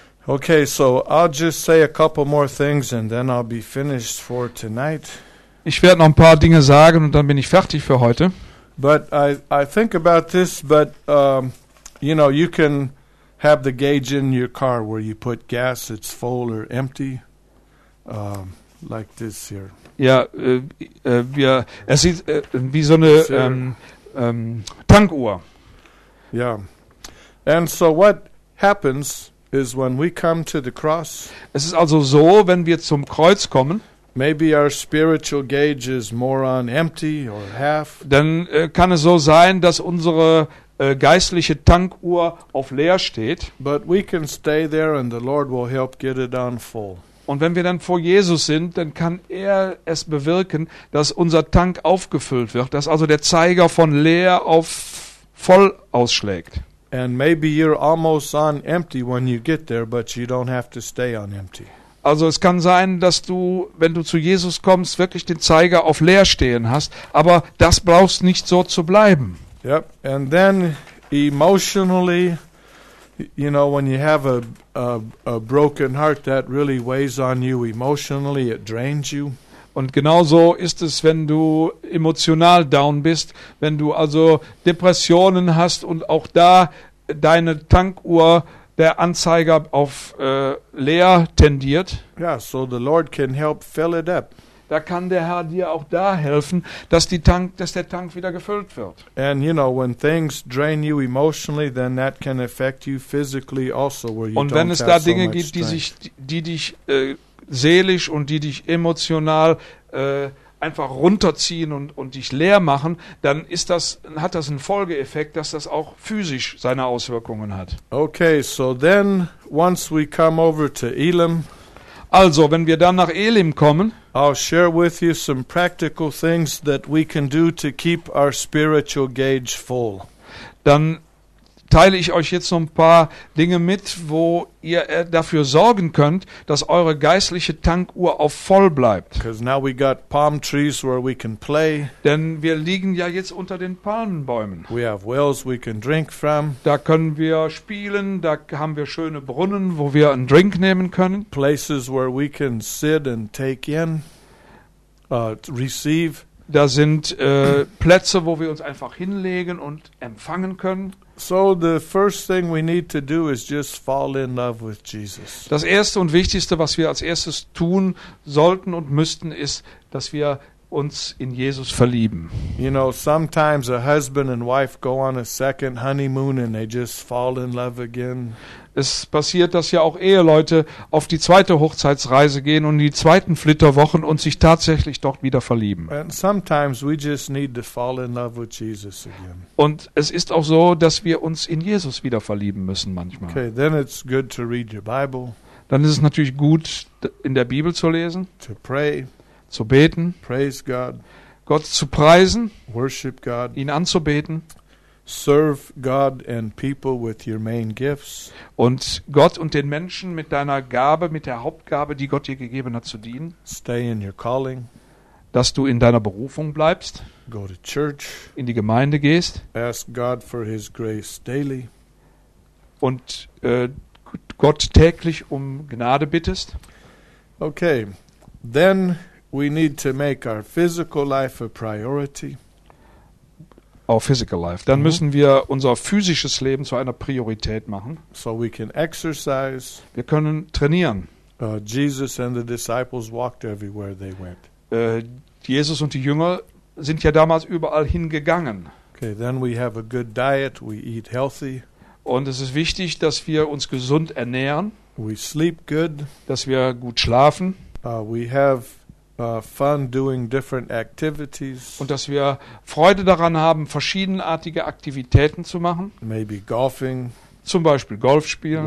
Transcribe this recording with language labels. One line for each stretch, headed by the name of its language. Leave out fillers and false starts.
English: Okay, so I'll just say a couple more things and then I'll be finished for tonight.
German: Ich werde noch ein paar Dinge sagen und dann bin ich fertig für heute.
English: But I think about this, but you know, you can have the gauge in your car where you put gas, it's full or empty, like this here.
German: Ja, wir, es sieht wie so eine Tankuhr.
English: Yeah. And so what happens is when we come to the cross.
German: Es ist also so, wenn wir zum Kreuz kommen.
English: Maybe our spiritual gauge is more on empty or half.
German: Dann kann es so sein, dass unsere geistliche Tankuhr auf leer steht.
English: But we can stay there and the Lord will help get it on full.
German: Und wenn wir dann vor Jesus sind, dann kann er es bewirken, dass unser Tank aufgefüllt wird, dass also der Zeiger von leer auf voll ausschlägt.
English: And maybe you're almost on empty when you get there, but you don't have to stay on empty.
German: Also es kann sein, dass du, wenn du zu Jesus kommst, wirklich den Zeiger auf leer stehen hast, aber das brauchst nicht so zu bleiben.
English: Yep. And then emotionally, you know, when you have a broken heart, that really weighs on you emotionally, it drains you.
German: Und genauso ist es, wenn du emotional down bist, wenn du also Depressionen hast und auch da deine Tankuhr, der Anzeiger auf leer tendiert.
English: Ja, so the Lord can help fill it up.
German: Da kann der Herr dir auch da helfen, dass die Tank, dass der Tank wieder gefüllt wird.
English: And you know, when things drain you emotionally, then that can affect you physically also, where you don't.
German: Und wenn es da Dinge gibt, die sich, die dich seelisch und die dich emotional einfach runterziehen und dich leer machen, dann ist das, hat das einen Folgeeffekt, dass das auch physisch seine Auswirkungen hat.
English: Okay, so then once we come over to Elim.
German: Also, wenn wir dann nach Elim kommen,
English: I'll share with you some practical things that we can do to keep our spiritual gauge full.
German: Dann teile ich euch jetzt noch ein paar Dinge mit, wo ihr dafür sorgen könnt, dass eure geistliche Tankuhr auf voll bleibt.
English: Because now we got palm trees where we can play.
German: Denn wir liegen ja jetzt unter den Palmenbäumen.
English: We have wells we can drink from.
German: Da können wir spielen, da haben wir schöne Brunnen, wo wir einen Drink nehmen können.
English: Places where we can sit and take in, receive.
German: Da sind Plätze, wo wir uns einfach hinlegen und empfangen können.
English: So the first thing we need to do is just fall in love with Jesus.
German: Das erste und wichtigste, was wir als erstes tun sollten und müssten, ist, dass wir uns in Jesus verlieben.
English: You know, sometimes a husband and wife go on a second honeymoon and they just fall in love again.
German: Es passiert, dass ja auch Eheleute auf die zweite Hochzeitsreise gehen und in die zweiten Flitterwochen und sich tatsächlich dort wieder verlieben.
English: And sometimes we just need to fall in love with Jesus again.
German: Und es ist auch so, dass wir uns in Jesus wieder verlieben müssen manchmal.
English: Okay, then it's good to read your Bible.
German: Dann ist es natürlich gut, in der Bibel zu lesen.
English: To pray.
German: Zu beten,
English: praise God,
German: Gott zu preisen,
English: worship God,
German: ihn anzubeten,
English: serve God and people with your main gifts,
German: und Gott und den Menschen mit deiner Gabe, mit der Hauptgabe, die Gott dir gegeben hat, zu dienen,
English: stay in your calling,
German: dass du in deiner Berufung bleibst,
English: go to church,
German: in die Gemeinde gehst,
English: ask God for his grace daily,
German: und Gott täglich um Gnade bittest.
English: Okay, then we need to make our physical life a priority. Our physical life.
German: Dann müssen wir unser physisches Leben zu einer Priorität machen.
English: So we can exercise.
German: Wir können trainieren.
English: Jesus and the disciples walked everywhere they went.
German: Jesus und die Jünger sind ja damals überall hingegangen.
English: Okay, then we have a good diet. We eat healthy.
German: Und es ist wichtig, dass wir uns gesund ernähren.
English: We sleep good.
German: Dass wir gut schlafen.
English: We have fun doing different activities.
German: Und dass wir Freude daran haben, verschiedenartige Aktivitäten zu machen.
English: Maybe golfing.
German: Zum Beispiel Golf spielen.